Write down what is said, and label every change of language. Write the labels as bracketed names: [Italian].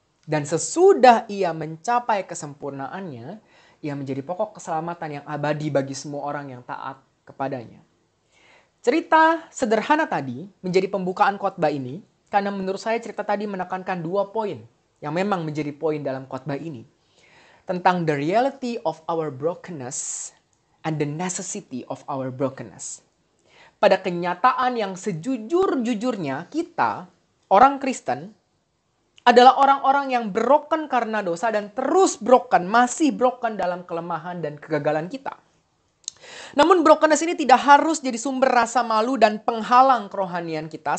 [Indonesian] Dan sesudah ia mencapai kesempurnaannya, ia menjadi pokok keselamatan yang abadi bagi semua orang yang taat kepadanya. Cerita sederhana tadi menjadi pembukaan khotbah ini, karena menurut saya cerita tadi menekankan dua poin yang memang menjadi poin dalam khotbah ini. Tentang [English] the reality of our brokenness and the necessity of our brokenness. [Indonesian] Pada kenyataan yang sejujur-jujurnya kita, orang Kristen, adalah orang-orang yang broken karena dosa dan terus broken, masih broken dalam kelemahan dan kegagalan kita. Namun brokenness ini tidak harus jadi sumber rasa malu dan penghalang kerohanian kita.